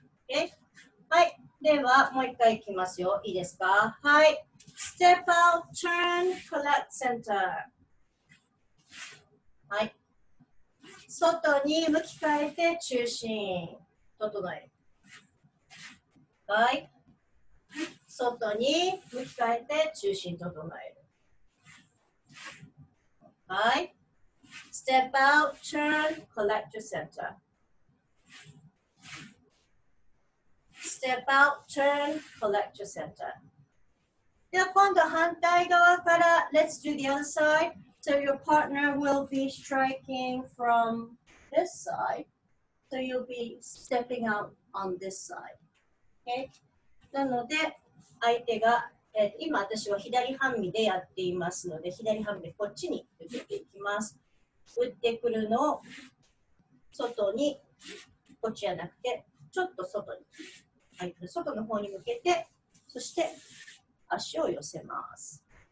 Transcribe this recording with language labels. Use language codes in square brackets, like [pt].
[en] Okay? [ja] はい、ではもう一回いきますよ。いいですか。 [en] はい。Step out, turn, collect center. [ja] はい。外に向き変えて中心整える。はい。外に向き変えて中心整える。 [en] はい。Step out, turn, collect your center. Step out, turn, collect your center. [ja] では今度反対側から [en] Let's do the other side. So your partner will be striking from this side. So you'll be stepping out on this side. Okay? [ja] なので相手が、今私は左半身でやっていますので左半身でこっちに打っていきます。打ってくるのを外にこっちじゃなくてちょっと外に。はい、外の方に向けて、そして足を寄せます。